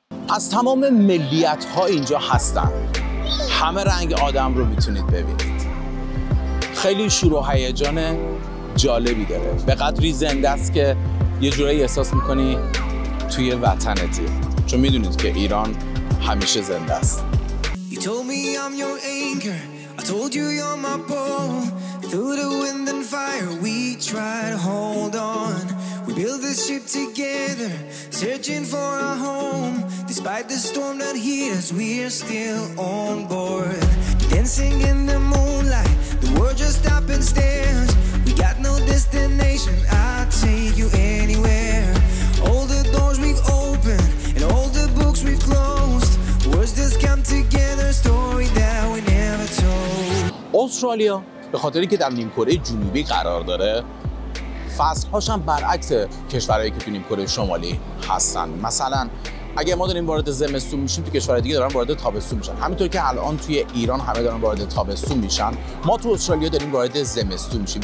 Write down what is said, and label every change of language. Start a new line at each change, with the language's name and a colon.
Persian: از تمام ملیت ها اینجا هستن. همه رنگ آدم رو میتونید ببینید. خیلی شور و هیجان جالبی داره، به قدری زنده است که یه جورایی احساس میکنی توی وطنتی، چون میدونید که ایران همیشه زنده است.
English: You told me I'm your anchor, I told you you're my pole. Through the wind and fire we try to hold on. We build this ship together, searching for a home. Despite the storm that hit us, we're still on board. Dancing in the moonlight, the world just stops and stares. We got no destination, I'll take you anywhere. All the doors we've opened and all the books we've closed. Words just come together, story that we never told.
Persian: استرالیا به خاطری که در نیم کره جنوبی قرار داره، فصل‌هاش هم برعکس کشورهایی که تو نیم کره شمالی هستن. مثلا اگه ما داریم وارد زمستون میشیم، تو کشورهای دیگه دارن وارد تابستون میشن. همینطور که الان توی ایران همه دارن وارد تابستون میشن، ما تو استرالیا داریم وارد زمستون میشیم.